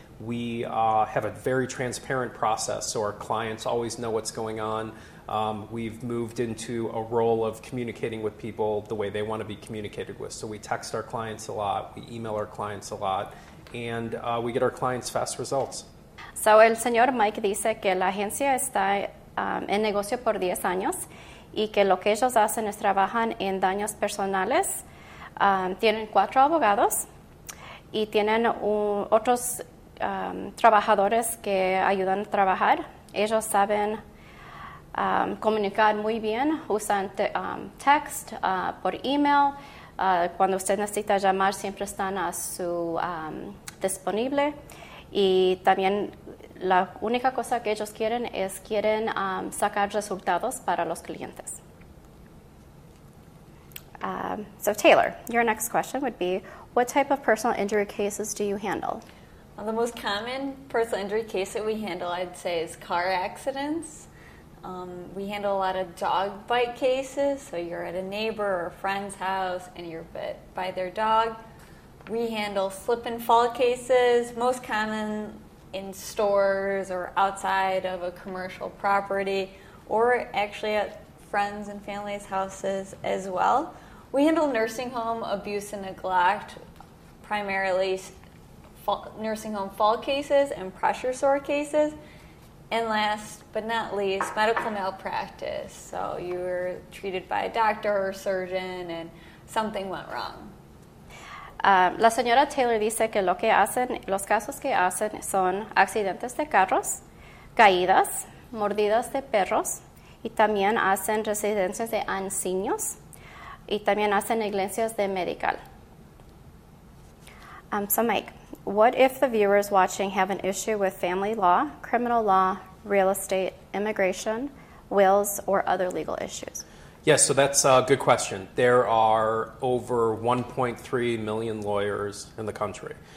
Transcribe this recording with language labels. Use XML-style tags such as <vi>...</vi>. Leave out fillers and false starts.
<en>We have a very transparent process, so our clients always know what's going on. We've moved into a role of communicating with people the way they want to be communicated with. So we text our clients a lot, we email our clients a lot, and we get our clients fast results.</en> <es>So el señor Mike dice que la agencia está en negocio por 10 años y que lo que ellos hacen es trabajan en daños personales. Tienen 4 abogados y tienen otros trabajadores que ayudan a trabajar. Ellos saben comunicar muy bien, usan text, por email. Cuando usted necesita llamar, siempre están a su disponible. Y también la única cosa que ellos quieren es quieren sacar resultados para los clientes.</es> <en>So Taylor, your next question would be, what type of personal injury cases do you handle? Well, the most common personal injury case that we handle, I'd say, is car accidents. We handle a lot of dog bite cases, so you're at a neighbor or a friend's house and you're bit by their dog. We handle slip and fall cases, most common in stores or outside of a commercial property, or actually at friends and family's houses as well. We handle nursing home abuse and neglect, primarily nursing home fall cases and pressure sore cases. And last but not least, medical malpractice. So you were treated by a doctor or a surgeon and something went wrong.</en> <es>La señora Taylor dice que lo que hacen, los casos que hacen son accidentes de carros, caídas, mordidas de perros, y también hacen residencias de ancianos, y también hacen negligencias de medical.</es> <en>So Mike, what if the viewers watching have an issue with family law, criminal law, real estate, immigration, wills, or other legal issues? Yes, so that's a good question. There are over 1.3 million lawyers in the country.</en>